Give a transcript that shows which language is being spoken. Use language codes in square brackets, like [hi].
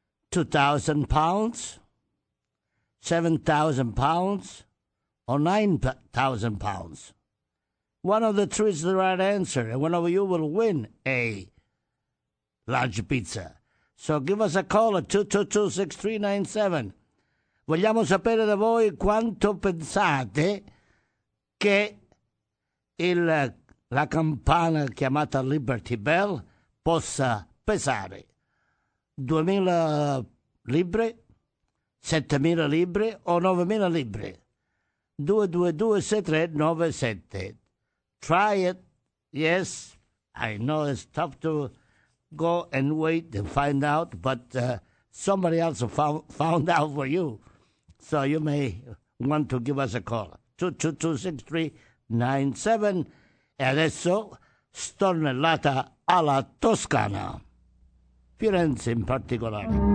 [en] 2,000 pounds, 7,000 pounds, or 9,000 pounds? One of the three is the right answer, and one of you will win a large pizza. So give us a call at 222-6397. [it] Vogliamo sapere da voi quanto pensate che la campana chiamata Liberty Bell possa pesare. 2.000 libbre, 7.000 libbre o 9.000 libbre? [en] 222-6397. Try it. Yes, I know it's tough to go and wait and find out, but somebody else found out for you. So you may want to give us a call. 222-6397. [it] E adesso stornellata alla Toscana, Firenze in particolare.